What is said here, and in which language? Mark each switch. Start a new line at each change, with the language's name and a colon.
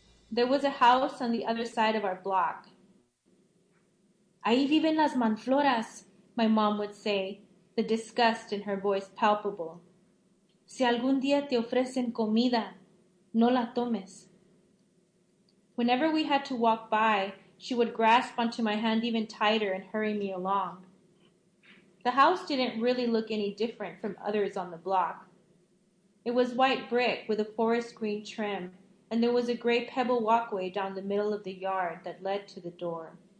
English: There was a house on the other side of our block.
Spanish: Ahí viven las manfloras,
English: my mom would say, the disgust in her voice palpable.
Spanish: Si algún día te ofrecen comida, no la tomes.
English: Whenever we had to walk by, she would grasp onto my hand even tighter and hurry me along. The house didn't really look any different from others on the block. It was white brick with a forest green trim, and there was a gray pebble walkway down the middle of the yard that led to the door.